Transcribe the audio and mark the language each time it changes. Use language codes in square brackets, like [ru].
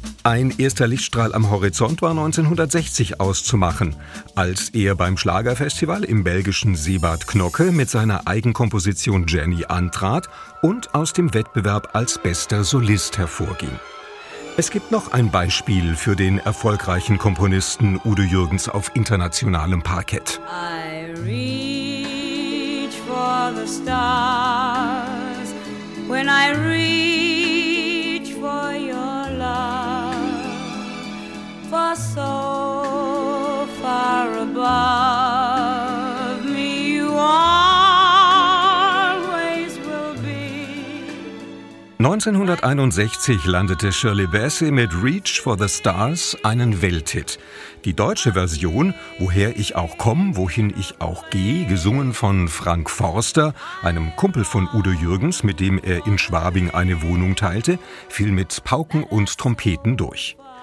[de] Ein erster Lichtstrahl am Horizont war 1960 auszumachen, als er beim Schlagerfestival im belgischen Seebad Knokke mit seiner Eigenkomposition Jenny antrat und aus dem Wettbewerb als bester Solist hervorging. Es gibt noch ein Beispiel für den erfolgreichen Komponisten Udo Jürgens auf internationalem Parkett. [en] I reach for the stars, when I reach for your love, for so far above me you always will be. [de] 1961 landete Shirley Bassey mit Reach for the Stars einen Welthit. Die deutsche Version, Woher ich auch komm, wohin ich auch geh, gesungen von Frank Forster, einem Kumpel von Udo Jürgens, mit dem er in Schwabing eine Wohnung teilte, fiel mit Pauken und Trompeten durch.